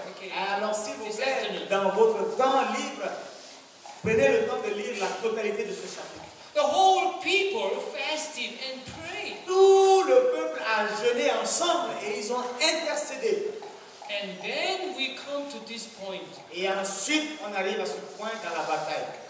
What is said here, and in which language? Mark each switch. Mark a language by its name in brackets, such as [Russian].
[French] Okay. Alors s'il vous plaît, dans votre temps libre, prenez le temps de lire la totalité de ce chapitre. [English] The whole people fasted and prayed. [French] Tout le peuple a jeûné ensemble et ils ont intercédé. [English] And then we come to this point. [French] Et ensuite, on arrive à ce point dans la bataille.